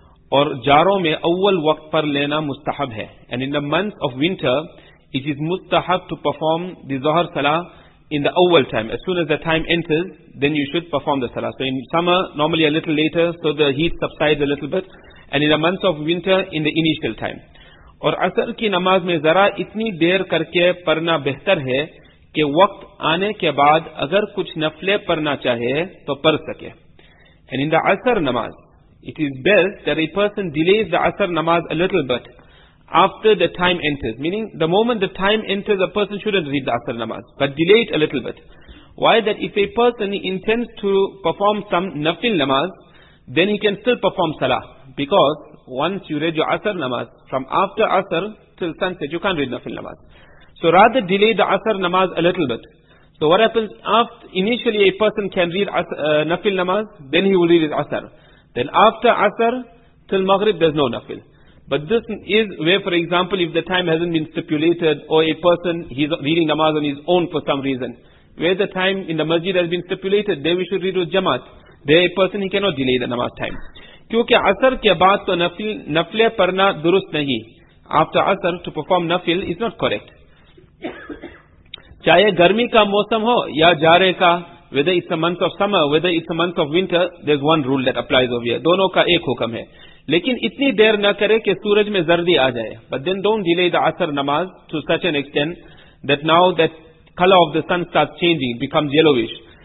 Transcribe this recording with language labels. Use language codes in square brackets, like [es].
[ur] Aur jaro mein awwal waqt par lena mustahab hai. [en] And in the month of winter, it is mustahab to perform the zohar salah in the awwal time. As soon as the time enters, then you should perform the salah. So in summer, normally a little later, so the heat subsides a little bit. And in the month of winter, in the initial time. [ur] اور عصر کی نماز میں ذرا اتنی دیر کر کے پڑھنا بہتر ہے کہ وقت آنے کے بعد اگر کچھ نفلے پڑھنا چاہے تو پڑھ سکے. [en] And in the Asr namaz, it is best that a person delays the Asr namaz a little bit after the time enters. Meaning, the moment the time enters, a person shouldn't read the Asr namaz, but delay it a little bit. Why? That if a person intends to perform some nafil namaz, then he can still perform salah. Because once you read your Asr Namaz, from after Asr till sunset, you can't read Nafil Namaz. So rather delay the Asr Namaz a little bit. So what happens, after initially a person can read Nafil Namaz, then he will read his Asr. Then after Asr till Maghrib, there's no Nafil. But this is where, for example, if the time hasn't been stipulated, or a person, he's reading Namaz on his own for some reason, where the time in the Masjid has been stipulated, there we should read with Jamaat. There a person, he cannot delay the Namaz time. [ur] کیونکہ عصر کے بعد تو نفلے پڑھنا درست نہیں. [en] After Asr to perform nafl is not correct. [ur] چاہے گرمی کا موسم ہو یا جارے کا, [en] whether it's a month of summer, whether it's a month of winter, there's one rule that applies over here. [ur] دونوں کا ایک حکم ہے. لیکن اتنی دیر نہ کرے کہ سورج میں زردی آ جائے. [en] But then don't delay the Asr namaz to such an extent that now that color of the sun starts changing, becomes yellowish.